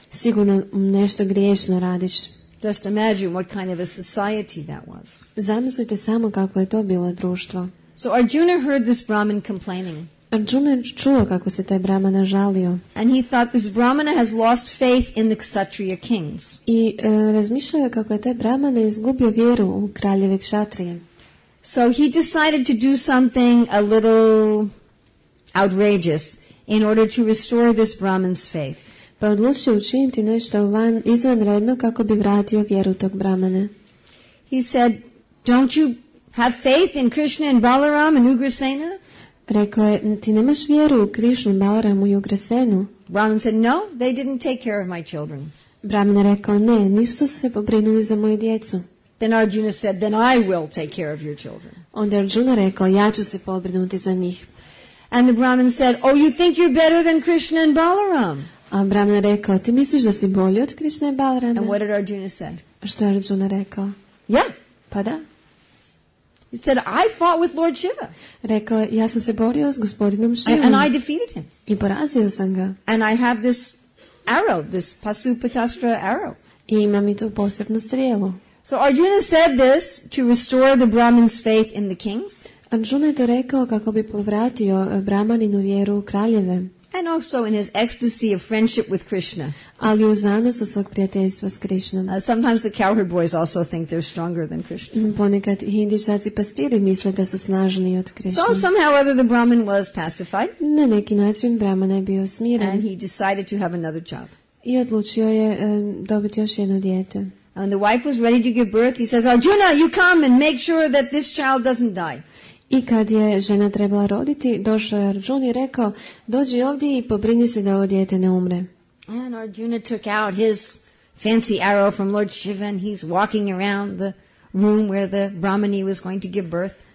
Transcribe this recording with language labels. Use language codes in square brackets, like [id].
[hr] Sigurno nešto griješno radiš. [en] Just imagine what kind of a society that was. [hr] Zamislite samo kako je to bilo društvo. [en] So Arjuna heard this Brahmin complaining. [hr] Arjuna čuo kako se taj Brahmana žalio. [en] And he thought this Brahmana has lost faith in the Kshatriya kings. [hr] Razmišljao je kako je taj Brahmana izgubio vjeru u kraljeve Kshatriye. [en] So he decided to do something a little outrageous in order to restore this Brahmin's faith. [hr] Pa odlučio učiniti nešto izvanredno kako bi vratio vjeru tog Brahmana. [en] He said, "Don't you have faith in Krishna and Balaram and Ugrasena?" [hr] Rekao je, ti nemaš vjeru u Krishnu, Balaramu i Ugrasenu? [en] Brahman said, no, they didn't take care of my children. [hr] Brahman rekao, ne, nisu se pobrinuli za moju djecu. [en] Then Arjuna said, then I will take care of your children. [hr] Onda Arjuna rekao, ja ću se pobrinuti za njih. [en] And the Brahman said, oh, you think you're better than Krishna and Balaram? [hr] A Brahman rekao, ti misliš da si bolji od Krishna i Balarama? [en] And what did Arjuna say? [hr] Što je Arjuna rekao? [en] Yeah. [hr] Pa da. [en] He said, I fought with Lord Shiva. [hr] Rekao, ja sam se borio s gospodinom Shivom. [en] And I defeated him. [hr] I porazio sam ga. [en] And I have this arrow, this Pasupatastra arrow. [hr] I imam i tu posebnu strijelu. [en] So Arjuna said this to restore the Brahmin's faith in the kings. [hr] Arjuna je to rekao kako bi povratio Brahmaninu vjeru u kraljeve. [en] And also in his ecstasy of friendship with Krishna. [hr] Ali u zanosu svog prijateljstva s Krishnom. [en] Sometimes the cowherd boys also think they're stronger than Krishna. [hr] Ponekad hindičaci pastiri misle da su snažniji od Krishna. [en] So somehow or other the Brahmin was pacified. [hr] Na neki način Brahman je bio smiren. [en] And he decided to have another child. [hr] I odlučio je dobiti još jedno dijete. [en] And when the wife was ready to give birth, he says, Arjuna, you come and make sure that this child doesn't die. [hr] I kad je žena trebala roditi, došao je Arjuna i rekao, dođi ovdje i pobrini se da ovo dijete ne umre. [en] And Arjuna took out his fancy arrow from Lord Shiva and he's walking around the room where the Brahmani was going to give birth.